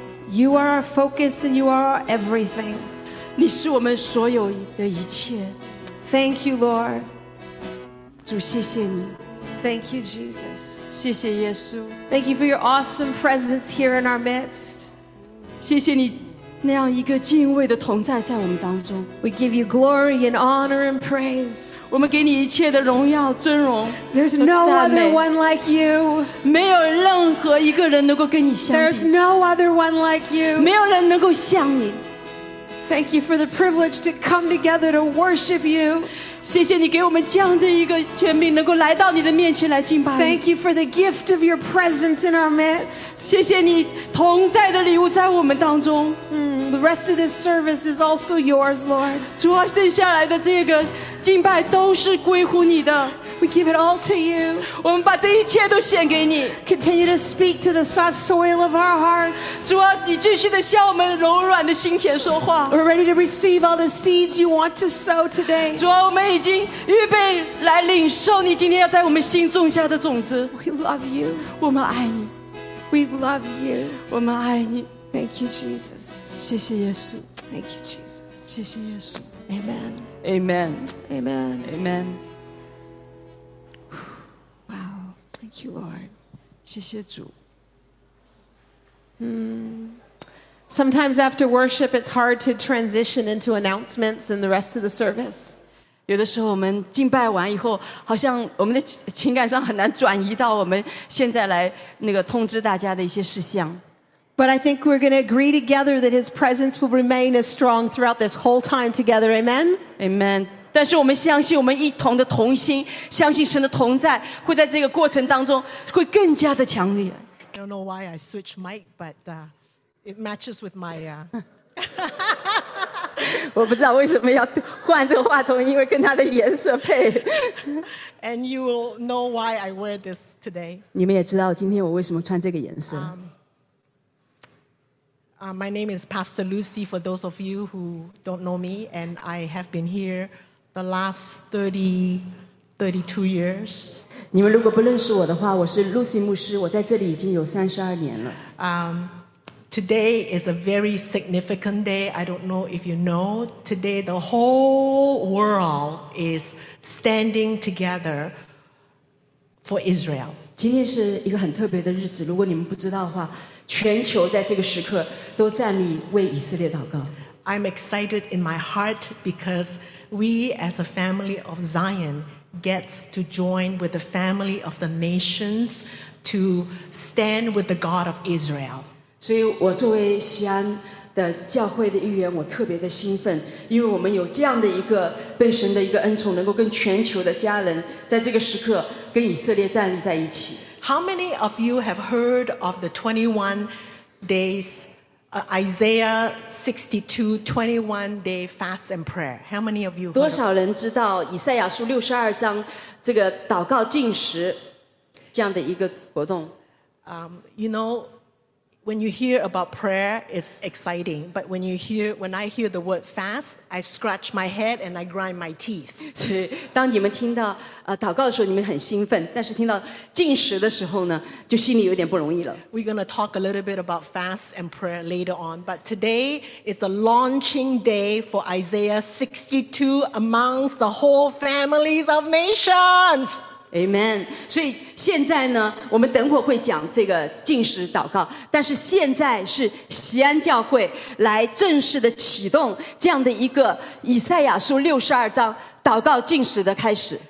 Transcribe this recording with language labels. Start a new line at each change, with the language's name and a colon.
English: You are our focus, and you are our everything.
Chinese: 你是我们所有的一切。
English: Thank you, Lord.
Chinese: 主，谢谢你。
English: Thank you, Jesus.
Chinese: 谢谢耶稣。
English: Thank you for your awesome presence here in our midst.
Chinese: 谢谢你那样一个敬畏的同在在我们当中。
English: We give you glory and honor and praise.
Chinese: 我们给你一切的荣耀、尊荣。
English: There's no other one like you.
Chinese: 没有任何一个人能够跟你相比。
English: There's no other one like you.
Chinese: 没有人能够像你。
English: Thank you for the privilege to come together to worship you.
Chinese: 谢谢你给我们这样的一个权柄能够来到你的面前来敬拜你
English: Thank you for the gift of your presence in our midst
Chinese: 谢谢你同在的礼物在我们当中
English: The rest of this service is also yours, Lord
Chinese: 主啊剩下来的这个敬拜都是归乎你的
English: We give it all to you
Chinese: 我们把这一切都献给你
English: Continue to speak to the soft soil of our hearts
Chinese: 主啊你继续地向我们柔软的心田说话
English: We're ready to receive all the seeds you want to sow today
Chinese: 主啊我们已经预备来领受你今天要在我们心种下的种子
English: We love you
Chinese: 我们爱你
English: We love you
Chinese: 我们爱你
English: Thank you Jesus
Chinese: 谢谢耶稣
English: Thank you Jesus
Chinese: 谢谢耶稣
English: Amen Amen Amen Amen Wow Thank you Lord
Chinese: 谢谢主
English: Sometimes after worship it's hard to transition into announcements and the rest of the service
Chinese: 有的时候我们敬拜完以后好像我们的情感上很难转移到我们现在来那个通知大家的一些事项
English: But I think we're going to agree together that his presence will remain as strong throughout this whole time together, amen?
Chinese: Amen 但是我们相信我们一同的同心相信神的同在会在这个过程当中会更加的强烈
English: I don't know why I switch mic, but it matches with my...
Chinese: 我不知道为什么要换这个话筒，因为跟它的颜色配。
English: And you will know why I wear this today.
Chinese: 你们也知道今天我为什么穿这个颜色。
English: My name is Pastor Lucy. For those of you who don't know me, and I have been here the last 32 years.
Chinese: 你们如果不认识我的话，我是 Lucy 牧师，我在这里已经有32年了。
English: Today is a very significant day. I don't know if you know. Today, the whole world is standing together for Israel.
Chinese: 今天是一个很特别的日子。如果你们不知道的话，全球在这个时刻都站立为以色列祷告。
English: I'm excited in my heart because we, as a family of Zion, get to join with the family of the nations to stand with the God of Israel.
Chinese: 所以我作为西安的教会的一员我特别的兴奋因为我们有这样的一个被神的一个恩宠能够跟全球的家人在这个时刻跟以色列站立在一起
English: How many of you have heard of the 21 days Isaiah 62 21 day fast and prayer How many of you
Chinese: 多少人知道以赛亚书62章这个祷告禁食这样的一个活动
English: You knowWhen you hear about prayer, it's exciting. But when I hear the word fast, I scratch my head and I grind my teeth.
Chinese: 是，当你们听到祷告的时候，你们很兴奋；但是听到禁食的时候呢，就心里有点不容易了。
English: We're going to talk a little bit about fast and prayer later on. But today is the launching day for Isaiah 62 amongst the whole families of nations. Amen.
Chinese: 所以现在呢，我们等会会讲这个禁食祷告。但是现在是锡安教会来正式的启动这样的一个以赛亚书62章祷告禁食的开始。